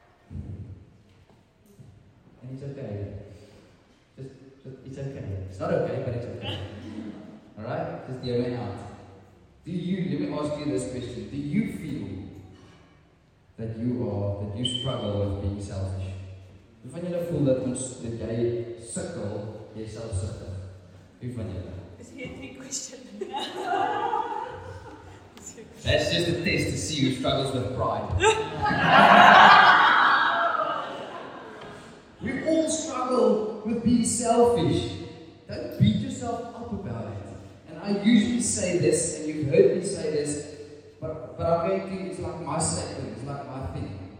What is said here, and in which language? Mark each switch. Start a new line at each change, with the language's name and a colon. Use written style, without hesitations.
English: And it's okay. It's okay. It's not okay, but it's okay. Alright? Just hear me out. Let me ask you this question. Do you feel that you struggle with being selfish?
Afrikaans: Hoe van julle voel dat jy sukkel, jy self sukkel? Hoe van julle? Is hier 'n trick question?
English: That's just a test to see who struggles with pride. We all struggle with being selfish. Don't beat yourself up about it. And I usually say this, and you've heard me say this, but I'm going to, it's like my statement, it's like my thing.